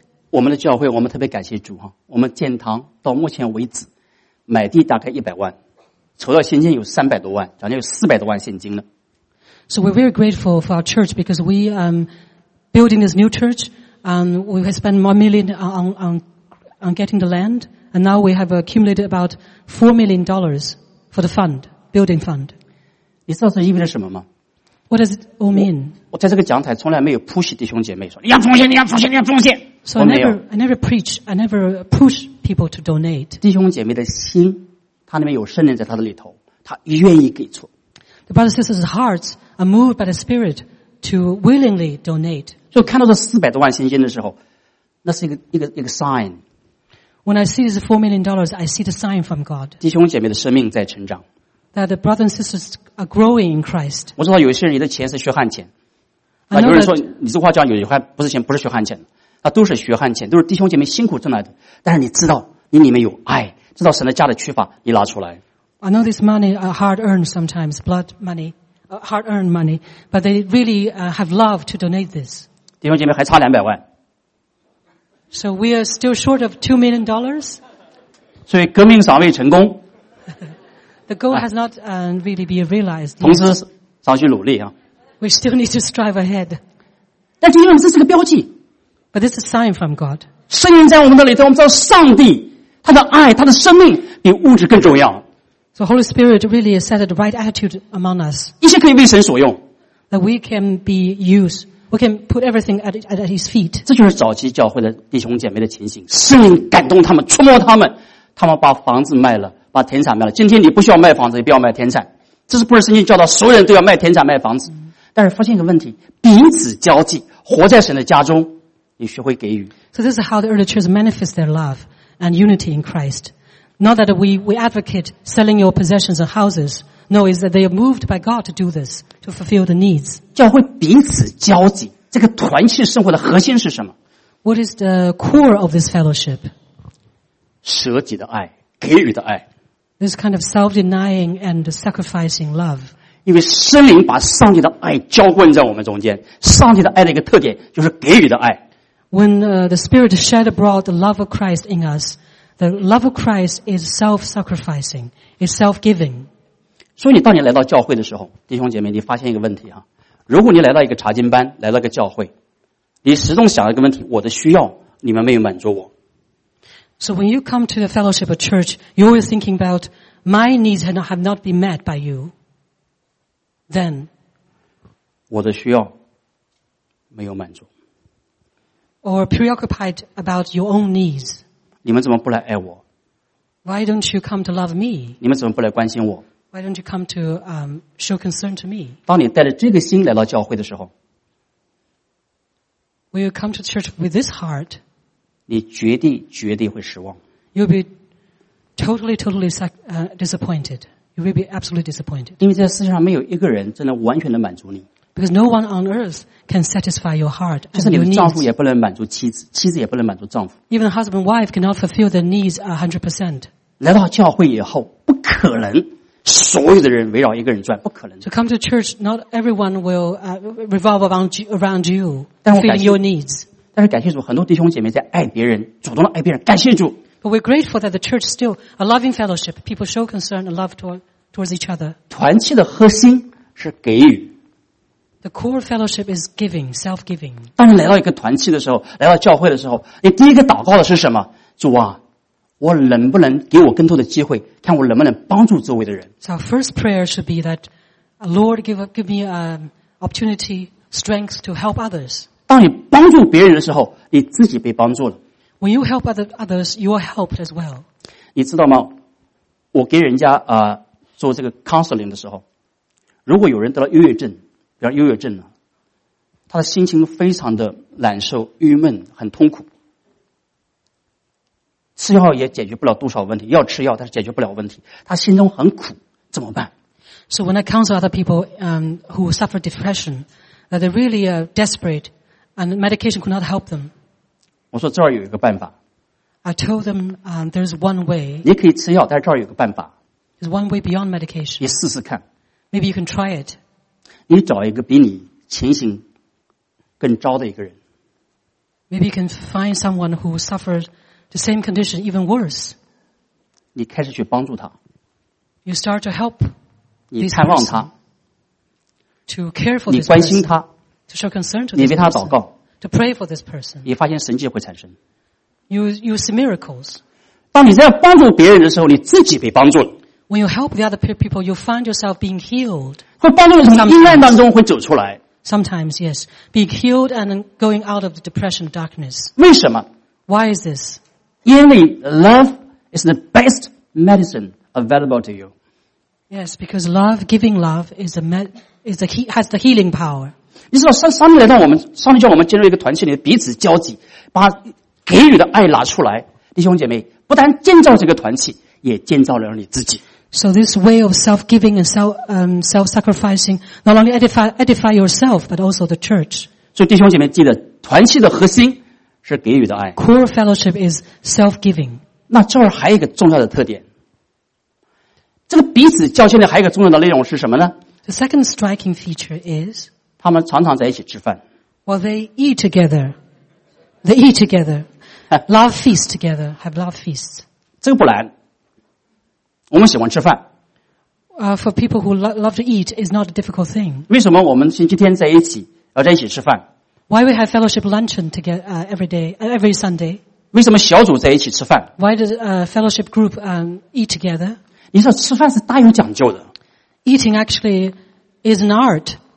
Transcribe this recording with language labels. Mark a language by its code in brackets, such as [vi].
[zh] 我们的教会我们特别感谢主，我们建堂到目前为止买地大概100万，筹到现金有300多万，将近有400多万现金了。 [en] So we're very grateful for our church because we building this new church and we have spent $1 million on getting the land and now we have accumulated about $4 million for the fund, building fund. [zh] 你知道这意味着什么吗？ [en] What does it all mean? [zh] 我在这个讲台从来没有 push 弟兄姐妹说你要奉献你要奉献你要奉献。 [en] So I never preach, I never push people to donate. [zh] 弟兄姐妹的心他里面有圣灵在他的里头，他愿意给出。 [en] The brothers and sisters' hearts,I'm moved by the Spirit to willingly donate. [zh] 就看到这400多万现金的时候，那是一个 sign. [en] When I see this $4 million, I see the sign from God. [zh] 弟兄姐妹的生命在成长。 [en] That the brothers and sisters are growing in Christ. [zh] 我知道有些人你的钱是血汗钱。啊，有人说你这话叫有血汗，不是钱，不是血汗钱，啊，都是血汗钱，都是弟兄姐妹辛苦挣来的。但是你知道你里面有爱，知道神的家的缺乏，你拿出来。 [en] I know this money are hard earned sometimes, blood money. Hard-earned money, but they really have love to donate this. [zh] 弟兄姐妹还差200万。 [en] So we are still short of $2 million. [zh] 所以革命尚未成功。 [en] The goal has not really been realized. [zh] 同时尚需努力啊。 [en] We still need to strive ahead. [zh] 但弟兄姐妹，这是个标记。 [en] But this is a sign from God. [zh] 圣灵在我们的里头，我们知道上帝他的爱，他的生命比物质更重要。 [en] So Holy Spirit really set the right attitude among us. [zh] 一切可以为神所用。 [en] That we can be used. We can put everything at His feet. [zh] 这就是早期教会的弟兄姐妹的情形。圣灵感动他们，触摸他们，他们把房子卖了，把田产卖了。今天你不需要卖房子，也不要卖田产。这是不是圣经教导所有人都要卖田产卖房子？但是发现一个问题，彼此交际，活在神的家中，你学会给予。 [en] So this is how the early church manifests their love and unity in Christ. Not that we advocate selling your possessions or houses. No, it's that they are moved by God to do this, to fulfill the needs. [zh] 教会彼此交集，这个团契生活的核心是什么？ [en] What is the core of this fellowship? [zh] 舍己的爱，给予的爱。 [en] This kind of self-denying and sacrificing love. [zh] 因为圣灵把上帝的爱浇灌在我们中间，上帝的爱的一个特点就是给予的爱。 [en] When the Spirit shed abroad the love of Christ in us, the love of Christ is self-sacrificing, is self-giving. [zh] 所以你当你来到教会的时候，弟兄姐妹，你发现一个问题啊。如果你来到一个查经班，来到一个教会，你始终想一个问题，我的需要，你们没有满足我。 [en] So when you come to the fellowship of church, you're always thinking about my needs have not been met by you. Then, [zh] 我的需要没有满足。 [en] Or preoccupied about your own needs. [zh] 你们怎么不来爱我？ [en] Why don't you come to love me? [zh] 你们怎么不来关心我？ [en] Why don't you come to show concern to me? [zh] 当你带着这个心来到教会的时候， [en] Will you come to church with this heart? [zh] 你绝对绝对会失望。 [en] You'll be totally, totally disappointed. You will be absolutely disappointed. [zh] 因为在世界上没有一个人真的完全的满足你。 [en] Because no one on earth can satisfy your heart. [zh] 就是你的丈夫也不能满足妻子，妻子也不能满足丈夫。 [en] Even husband and wife cannot fulfill their needs 100%. [zh] 来到教会以后，不可能所有的人围绕一个人转，不可能。 [en] So come to church, not everyone will revolve around you, fulfilling your needs. [zh] 但是感谢主，很多弟兄姐妹在爱别人，主动的爱别人，感谢主。 [en] But we're grateful that the church still a loving fellowship. People show concern and love towards each other. [zh] 团契的核心是给予。 [en] The core fellowship is giving, self-giving. [zh] 当你来到一个团契的时候，来到教会的时候，你第一个祷告的是什么？主啊，我能不能给我更多的机会，看我能不能帮助周围的人 [en] ？So our first prayer should be that, Lord, give me an opportunity, strength to help others. [zh] 当你帮助别人的时候，你自己被帮助了。 [en] When you help others, you are helped as well. [zh] 你知道吗？我给人家做这个 counseling 的时候，如果有人得了忧郁症，比如忧郁症呢，他的心情非常的难受、郁闷、很痛苦，吃药也解决不了多少问题，要吃药但是解决不了问题，他心中很苦，怎么办 [en] ？So when I counsel other people who suffer depression, that they really are desperate. And medication could not help them. [zh] 我说这儿有一个办法。 [en] I told them, there's one way. [zh] 你可以吃药，但是这儿有个办法。 [en] There's one way beyond medication. [zh] 你试试看。 [en] Maybe you can try it. [zh] 你找一个比你情形更糟的一个人。 [en] Maybe you can find someone who suffered the same condition, even worse. [zh] 你开始去帮助他。 [en] You start to help. [zh] 你探望他。 [en] To care for this person. [zh] 你关心他。 [en] To show concern to this person, [zh] 你为他祷告 [en] to pray for this person. [zh] 你发现神迹会产生 [en] you see miracles. [zh] 当你在帮助别人的时候，你自己被帮助了 [en] When you help the other people, you find yourself being healed. [zh] 会帮助你从阴暗当中会走出来 [en] Sometimes, yes. Being healed and going out of the depression darkness. [zh] 为什么 [en] Why is this? [zh] 因为 [en] love is the best medicine available to you. Yes, because love, giving love, has the healing power. [zh] 你知道上帝来到我们，上帝叫我们进入一个团契里，彼此交集，把给予的爱拿出来。弟兄姐妹，不但建造这个团契，也建造了你自己。 [en] So this way of self-giving and self-sacrificing not only edify yourself, but also the church. [zh] 所以弟兄姐妹，记得团契的核心是给予的爱。 [en] Core fellowship is self-giving. [zh] 那这儿还有一个重要的特点，这个彼此交心里还有一个重要的内容是什么呢 [en] ？The second striking feature is. [zh] 他们常常在一起吃饭。 [en] Well, they eat together. They eat together. Love feast together. Have love feasts. [zh] 这个不难。我们喜欢吃饭。 [en] For people who love to eat, it's not a difficult thing. [zh] 为什么我们星期天在一起，要在一起吃饭 [en] ？Why we have fellowship luncheon together every day, every Sunday? [zh] 为什么小组在一起吃饭 [en] ？Why does fellowship group eat together? [zh] 你说吃饭是大有讲究的。 [en] Eating actually is an art.